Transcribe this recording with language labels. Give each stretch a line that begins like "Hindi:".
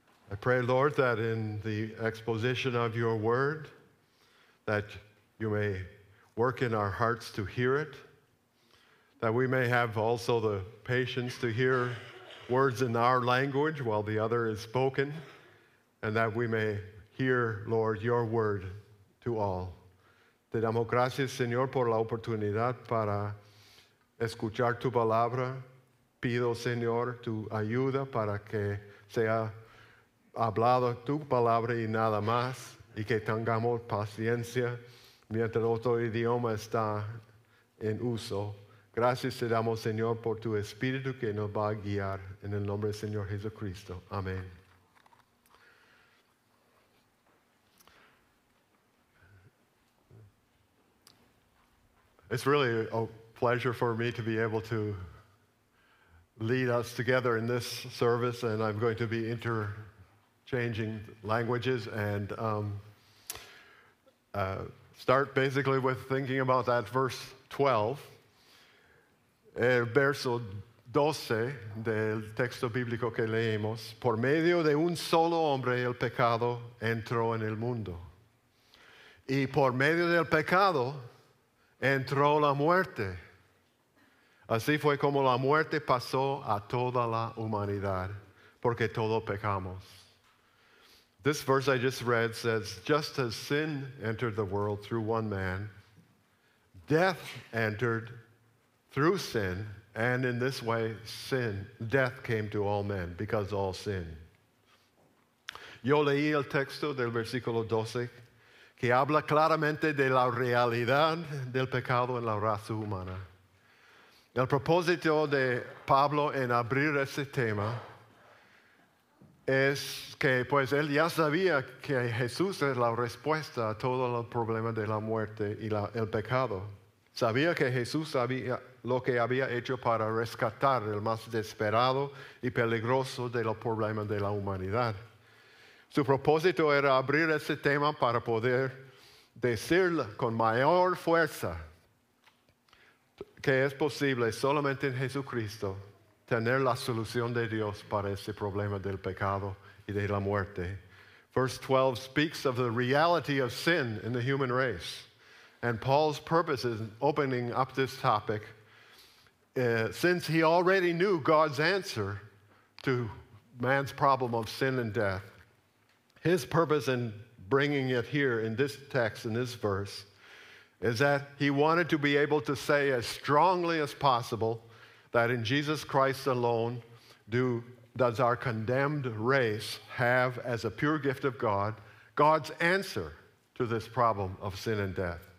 English: I pray, Lord, that in the exposition of your word, that you may work in our hearts to hear it, that we may have also the patience to hear words in our language while the other is spoken, and that we may hear, Lord, your word to all.
Spanish: Te damos gracias, Señor, por la oportunidad para escuchar tu palabra. Pido, Señor, tu ayuda para que sea hablado tu palabra y nada más. y que tengamos paciencia mientras otro idioma está en uso. Gracias te damos, Señor, por tu Espíritu que nos va a guiar en el nombre del Señor Jesucristo. Amén.
English: It's really a pleasure for me to be able to lead us together in this service, and I'm going to be interchanging languages and start basically with thinking about that verse 12,
Spanish: el verso 12 del texto bíblico que leímos. Por medio de un solo hombre, el pecado entró en el mundo. Y por medio del pecado entró la muerte. Así fue como la muerte pasó a toda la humanidad, porque todos pecamos.
English: This verse I just read says, just as sin entered the world through one man, death entered through sin, and in this way, sin, death came to all men because all sin.
Spanish: Yo leí el texto del versículo 12, que habla claramente de la realidad del pecado en la raza humana. El propósito de Pablo en abrir ese tema es que pues él ya sabía que Jesús es la respuesta a todos los problemas de la muerte y el pecado. Sabía que Jesús sabía lo que había hecho para rescatar el más desesperado y peligroso de los problemas de la humanidad. Su propósito era abrir ese tema para poder decir con mayor fuerza que es posible solamente en Jesucristo tener la solución de Dios para ese problema del pecado y de la muerte.
English: Verse 12 speaks of the reality of sin in the human race. And Paul's purpose in opening up this topic, since he already knew God's answer to man's problem of sin and death, his purpose in bringing it here in this text, in this verse, is that he wanted to be able to say as strongly as possible that in Jesus Christ alone does our condemned race have, as a pure gift of God, God's answer to this problem of sin and death.